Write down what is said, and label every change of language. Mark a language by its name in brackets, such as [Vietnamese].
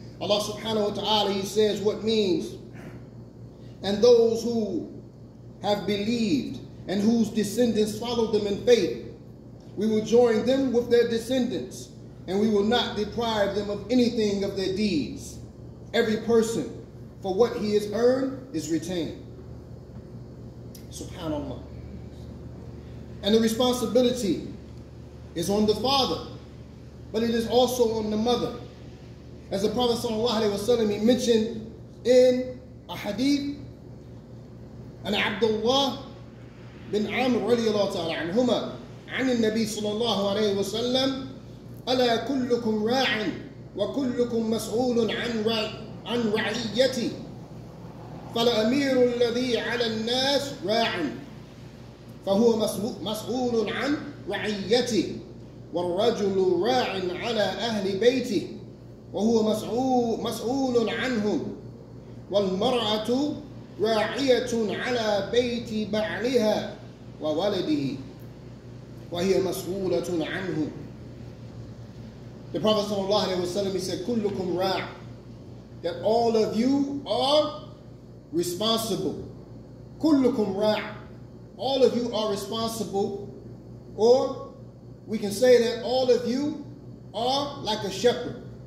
[English] Allah subhanahu wa ta'ala, He says what means, and those who have believed and whose descendants followed them in faith, we will join them with their descendants, and we will not deprive them of anything of their deeds. Every person, for what he has earned, is retained. SubhanAllah. And the responsibility is on the father, but it is also on the mother. As the Prophet sallallahu alaihi wasallam, he mentioned in a hadith, an Abdullah bin Amr radiallahu ta'ala anhumah, [Arabic] عن النبي صلى الله عليه وسلم ألا كلكم راع وكلكم مسؤول عن رعيتي فالأمير الذي على الناس راع فهو مسؤول عن رعيتي والرجل راع على أهل بيته وهو مسؤول عنهم والمرأة راعية على بيت بعلها وولده وَهِيَ مَسْغُولَةٌ عَنْهُ. [English] The Prophet sallallahu alayhi wa sallam, he said, [Arabic] كُلُّكُمْ رَاعٍ, [English] that all of you are responsible. [Arabic] Kullukum ra', [English] all of you are responsible. Or we can say that all of you are like a shepherd.